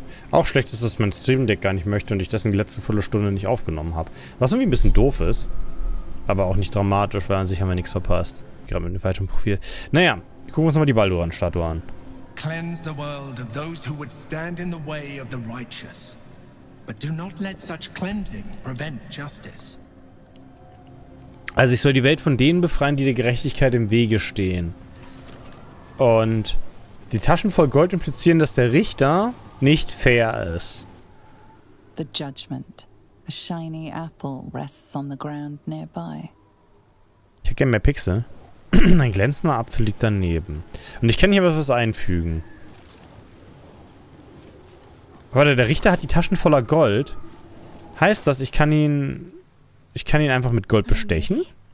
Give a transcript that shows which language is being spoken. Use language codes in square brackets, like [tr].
[de] Auch schlecht ist, dass mein Stream Deck gar nicht möchte und ich dessen die letzte volle Stunde nicht aufgenommen habe. Was irgendwie ein bisschen doof ist. Aber auch nicht dramatisch, weil an sich haben wir nichts verpasst. Gerade mit dem falschen Profil. Naja, gucken wir uns mal die Balduran-Statue an. [en] Cleanse the world of those who would stand in the way of the righteous. But do not let such cleansing prevent justice. [de] Also ich soll die Welt von denen befreien, die der Gerechtigkeit im Wege stehen. Und die Taschen voll Gold implizieren, dass der Richter nicht fair ist. [en] The judgment. A shiny apple rests on the ground nearby. [de] Ich hätte gerne mehr Pixel. Ein glänzender Apfel liegt daneben. Und ich kann hier was einfügen. Warte, der Richter hat die Taschen voller Gold. Heißt das, ich kann ihn einfach mit Gold bestechen?